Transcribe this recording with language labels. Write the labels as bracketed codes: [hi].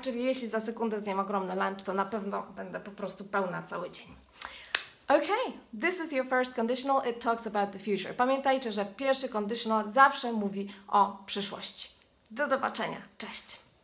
[pl] Czyli jeśli za sekundę zjem ogromny lunch, to na pewno będę po prostu pełna cały dzień. [en] Okay, this is your first conditional. It talks about the future. [pl] Pamiętajcie, że pierwszy conditional zawsze mówi o przyszłości. Do zobaczenia. Cześć.